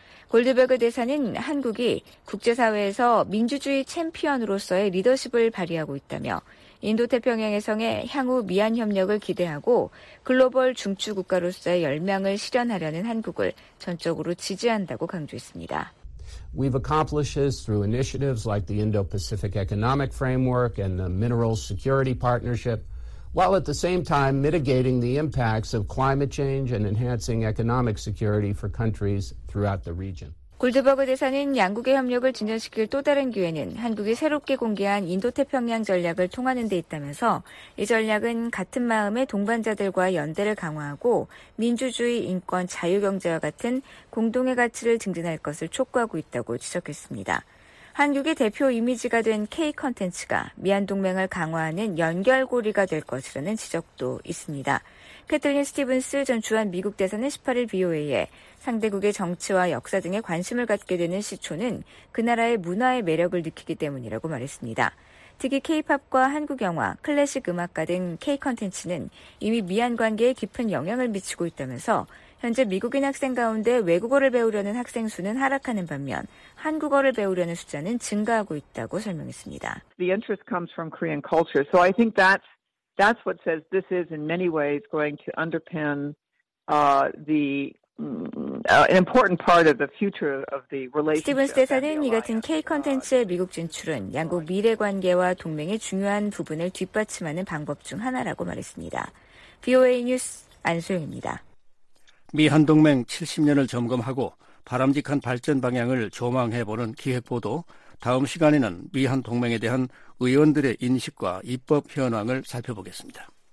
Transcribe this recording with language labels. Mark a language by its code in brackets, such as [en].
[ko] 골드버그 대사는 한국이 국제사회에서 민주주의 챔피언으로서의 리더십을 발휘하고 있다며 인도태평양에서의 향후 미한 협력을 기대하고 글로벌 중추 국가로서의 열망을 실현하려는 한국을 전적으로 지지한다고 강조했습니다. [en] We've accomplished this through initiatives like the Indo-Pacific Economic Framework and the Minerals Security Partnership, while at the same time mitigating the impacts of climate change and enhancing economic security for countries throughout the region. [ko] 골드버그 대사는 양국의 협력을 진전시킬 또 다른 기회는 한국이 새롭게 공개한 인도태평양 전략을 통하는 데 있다면서 이 전략은 같은 마음의 동반자들과 연대를 강화하고 민주주의, 인권, 자유경제와 같은 공동의 가치를 증진할 것을 촉구하고 있다고 지적했습니다. 한국의 대표 이미지가 된 K-컨텐츠가 미한동맹을 강화하는 연결고리가 될 것이라는 지적도 있습니다. 캐틀린 스티븐스 전 주한 미국 대사는 18일 VOA에 상대국의 정치와 역사 등에 관심을 갖게 되는 시초는 그 나라의 문화의 매력을 느끼기 때문이라고 말했습니다. 특히 K-POP과 한국 영화, 클래식 음악가 등 K-컨텐츠는 이미 미한 관계에 깊은 영향을 미치고 있다면서 현재 미국인 학생 가운데 외국어를 배우려는 학생 수는 하락하는 반면 한국어를 배우려는 숫자는 증가하고 있다고 설명했습니다. [en] The interest comes from Korean culture. So I think that's what says this is in many ways going to underpin an important part of the future of the relationship. [ko] 스티븐스 대사는 이 같은 K-콘텐츠의 미국 진출은 양국 미래 관계와 동맹의 중요한 부분을 뒷받침하는 방법 중 하나라고 말했습니다. VOA 뉴스 안소영입니다. 미 한동맹 70년을 점검하고 바람직한 발전 방향을 조망해보는 기획보도, 다음 시간에는 미 한동맹에 대한 의원들의 인식과 입법 현황을 살펴보겠습니다.